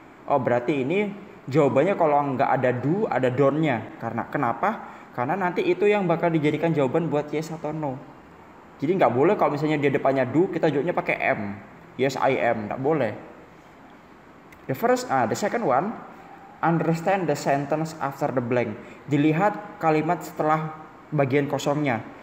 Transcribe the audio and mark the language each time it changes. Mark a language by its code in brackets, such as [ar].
[id] Oh, berarti ini jawabannya kalau nggak ada do, ada don't-nya. Karena kenapa? Karena nanti itu yang bakal dijadikan jawaban buat yes atau no. Jadi nggak boleh kalau misalnya dia depannya do, kita jawabnya pakai am. [en] Yes, I am. [id] Nggak boleh. [en] The second one, understand the sentence after the blank. [id] Dilihat kalimat setelah bagian kosongnya.